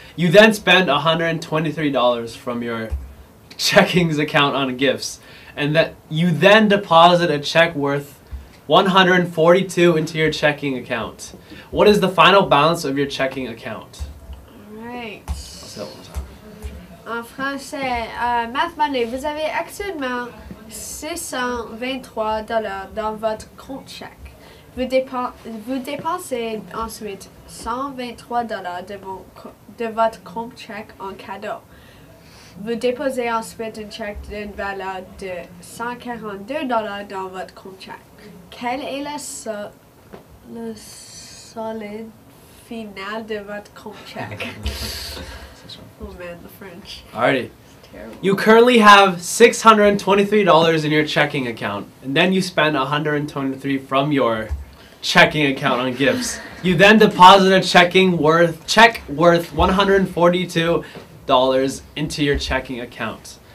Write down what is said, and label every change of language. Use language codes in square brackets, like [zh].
[en] You then spend $123 from your checkings account on gifts. And that you then deposit a check worth $142 into your checking account. What is the final balance of your checking account? All right. I'll say it one more time. [fr] En français, Math Monday, vous avez actuellement $623 dans votre compte chèque. Vous dépensez ensuite $123 de votre compte chèque en cadeau. Vous déposez ensuite un chèque d'une valeur de $142 dans votre compte chèque. Quel est le solide final de votre compte chèque? [en] Oh man, the French. Alrighty. You currently have $623 in your checking account, and then you spend $123 from your checking account on gifts. You then deposit a check worth $142 into your checking account.